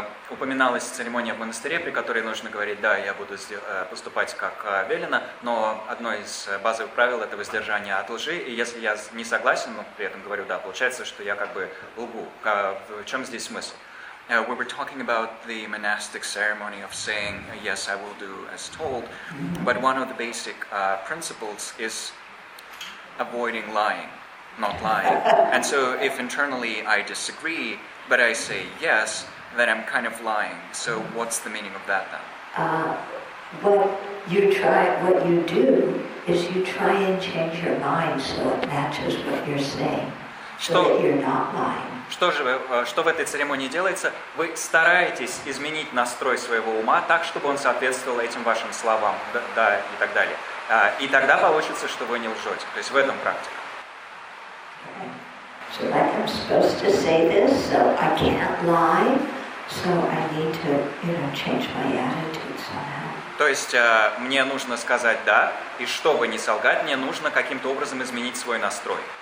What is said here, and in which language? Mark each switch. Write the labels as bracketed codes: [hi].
[ru] Упоминалась церемония в монастыре, при которой нужно говорить, да, я буду поступать как велено, но одно из базовых правил — это воздержание от лжи, и если я не согласен, но при этом говорю да, получается, что я как бы лгу. В чем здесь смысл? [en] We were talking about the monastic ceremony of saying, yes, I will do as told, but one of the basic principles is avoiding lying, not lying. And so if internally I disagree, but I say yes, that I'm kind of lying. So what's the meaning of that then? What you do is you try and change your mind so it matches what you're saying. So that you're not lying. [ru] Что в этой церемонии делается? Вы стараетесь изменить настрой своего ума так, чтобы он соответствовал этим вашим словам, да, и так далее. И тогда получится, что вы не лжете. То есть в этом практика. [en] So like I'm supposed to say this, so I can't lie. So I need to, you know, change my attitude somehow. [ru] То есть мне нужно сказать да, и чтобы не солгать, мне нужно каким-то образом изменить свой настрой.